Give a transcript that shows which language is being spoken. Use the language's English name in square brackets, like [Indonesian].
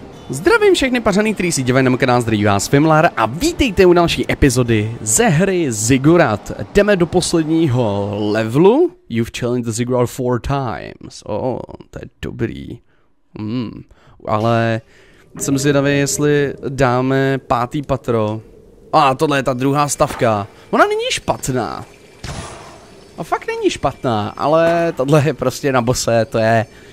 [Czech] Zdravím všechny pařený, kteří si dívají na můj kanál, zdraví vás Fimlar a vítejte u další epizody ze hry Ziggurat. Jdeme do posledního levelu. [English] You've challenged the Ziggurat 4 times. [Czech] Oh, to je dobrý. Ale jsem zvědavý, jestli dáme 5. patro. Tohle je ta druhá stavka. Ona není špatná. A fakt není špatná, ale tohle je prostě na bose, to je...